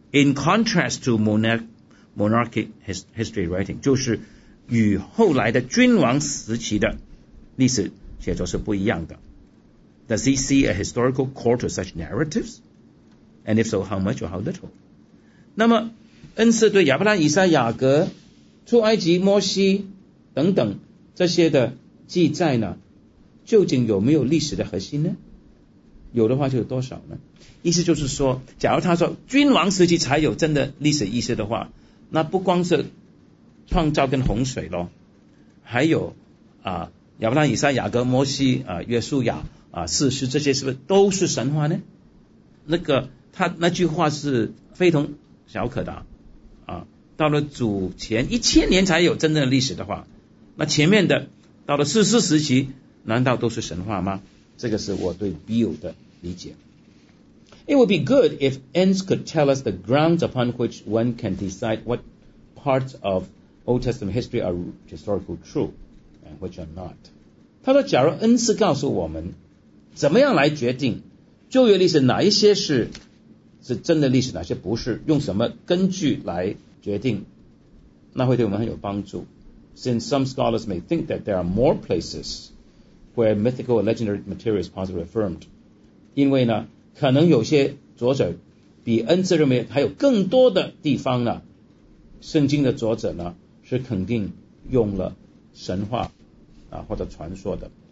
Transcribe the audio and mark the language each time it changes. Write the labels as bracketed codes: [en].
[en] In contrast to monarchic history writing， [zh] 就是与后来的君王时期的历史写作是不一样的。 [en] Does he see a historical core to such narratives? And if so, how much or how little? [zh] 那么恩斯对亚伯拉罕、以撒、雅各、出埃及、摩西等等这些的记载呢，究竟有没有历史的核心呢？有的话就有多少呢？意思就是说，假如他说君王时期才有真的历史意识的话，那不光是创造跟洪水咯，还有亚伯拉罕、以撒、雅各、摩西、约书亚事实这些是不是都是神话呢？那个他那句话是非同小可的到了祖前一千年才有真正的历史的话，那前面的到了四世时期难道都是神话吗？这个是我对 Bill 的理解。 [en] It would be good if Ends could tell us the grounds upon which one can decide what parts of Old Testament history are historical true and which are not. [zh] 他说假如恩斯告诉我们怎么样来决定旧约历史哪一些是真的历史，哪些不是，用什么根据来决定，那会对我们很有帮助。 [en] Since some scholars may think that there are more places where mythical or legendary material is possibly affirmed， [zh] 因为呢可能有些作者比恩赐认为还有更多的地方呢圣经的作者呢是肯定用了神话或者传说的。